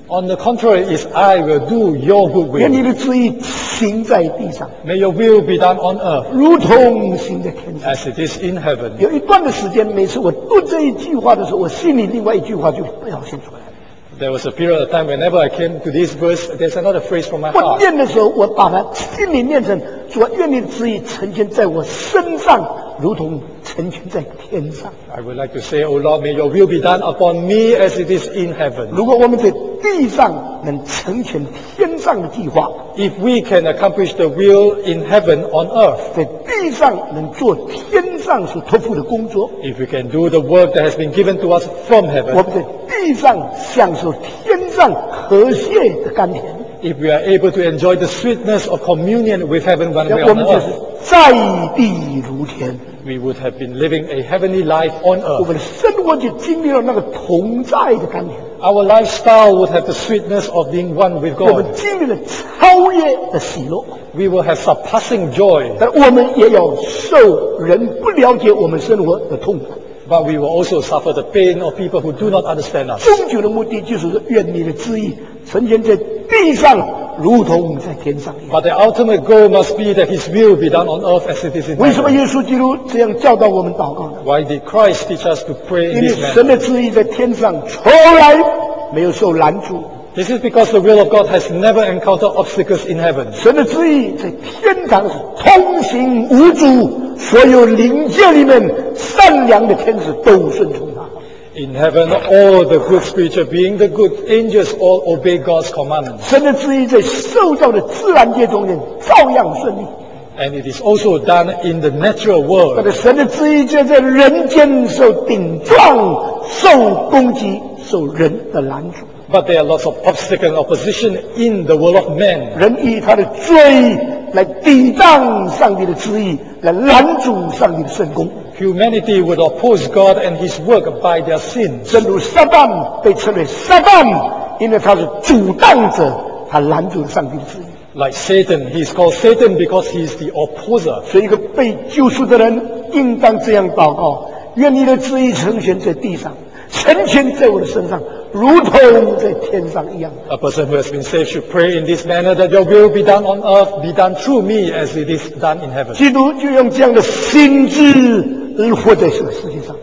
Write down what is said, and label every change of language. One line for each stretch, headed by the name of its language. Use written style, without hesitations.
English: On the contrary, is I will do your good will.
Chinese: 愿你的旨意行在地上。
English: May your will be done on earth.
Chinese: 如同行在天上。
English: As it is in heaven.
Chinese: 有一段的时间，每次我读这一句话的时候，我心里另外一句话就表现出来。
English: There was a period of time whenever I came to this verse, there's another phrase from my heart.
Chinese: 我念的时候，我把它心里念成：主，愿你的旨意成全在我身上，如同成全在天上。
English: I would like to say, O Lord, may your will be done upon me as it is in heaven.
Chinese: 如果我们在地上能成全天上的计划，
English: If we can accomplish the will in heaven on earth,
Chinese: 在地上能做天上所托付的工作，
English: If we can do the work that has been given to us from heaven,
Chinese: 我们在地上享受天上和谐的甘甜，
English: if we are able to enjoy the sweetness of communion with heaven when we are on earth,
Chinese: 在地如天
English: we would have been living a heavenly life on earth.
Chinese: 我们的生活就经历了那个同在的甘甜。
English: Our lifestyle would have the sweetness of being one with God.
Chinese: 我们经历了超越的喜乐。
English: We will have surpassing joy.
Chinese: 但我们也要受人不了解我们生活的痛苦。
English: But we will also suffer the pain of people who do not understand us.
Chinese: 终究的目的就是愿你的旨意成全在地上如同在天上一样。
English: But the ultimate goal must be that His will be done on earth as it is in heaven.
Chinese: 为什么耶稣基督这样教导我们祷告呢？
English: Why did Christ teach us to pray in this manner?
Chinese: 因为神的旨意在天上从来没有受拦阻。
English: This is because the will of God has never encountered obstacles in heaven.
Chinese: 神的旨意在天堂是通行无阻，所有灵界里面善良的天使都顺从他。
English: In heaven, all the good spiritual beings, the good angels, all obey God's commandments.
Chinese: 神的旨意在受造的自然界中间照样顺利。
English: And it is also done in the natural world.
Chinese: 但是神的旨意就在人间受顶撞、受攻击、受人的拦阻。
English: But there are lots of obstacles and opposition in the world of men.
Chinese: 人以他的罪来抵挡上帝的旨意，来拦阻上帝的圣工。
English: Humanity would oppose God and His work by their sins.
Chinese: 正如撒旦被称为撒旦，因为他是阻挡者，他拦阻上帝的旨意。
English: Like Satan, he is called Satan because he is the opposer.
Chinese: 所以一个被救赎的人应当这样祷告：愿你的旨意成全在地上，成全在我的身上，如同在天上一样。
English: A person who has been saved should pray in this manner that your will be done on earth, be done through me as it is done in heaven.
Chinese: 基督就用这样的心智活在这个世界上。